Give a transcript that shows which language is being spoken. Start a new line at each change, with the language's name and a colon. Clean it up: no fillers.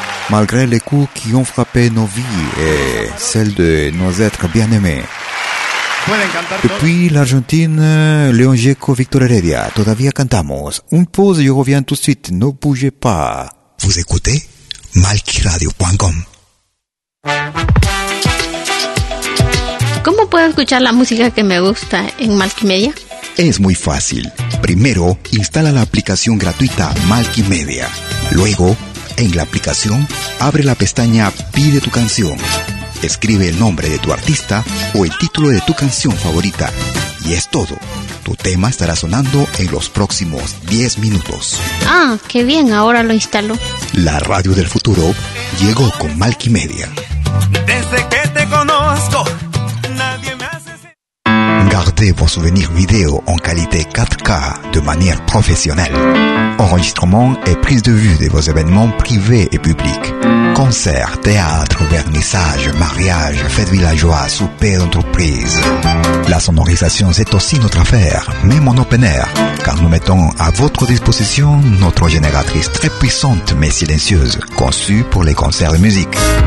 French: Malgré les coups qui ont frappé nos vies et celles de nos êtres bien-aimés. Depuis l'Argentine, Leon Gieco, Victor Heredia, todavía cantamos. Une pause, je reviens tout de suite, ne bougez pas. Vous écoutez malqui-radio.com.
Spanish: ¿Cómo puedo escuchar la música que me gusta en Malqui Media? Es muy fácil. Primero, instala la aplicación gratuita Malki Media. Luego, en la aplicación, abre la pestaña Pide tu canción. Escribe el nombre de tu artista o el título de tu canción favorita. Y es todo. Tu tema estará sonando en los próximos 10 minutos. Ah, qué bien, ahora lo instalo. La radio del futuro llegó con Malki Media. Desde que te conozco, nadie me hace sentir.
French: Gardez vos souvenirs vidéo en qualité 4K de manière professionnelle. Enregistrement et prise de vue de vos événements privés et publics. Concert, théâtre, vernissage, mariage, fête villageoise, souper d'entreprise. La sonorisation, c'est aussi notre affaire, même en open air, car nous mettons à votre disposition notre génératrice très puissante mais silencieuse, conçue pour les concerts de musique.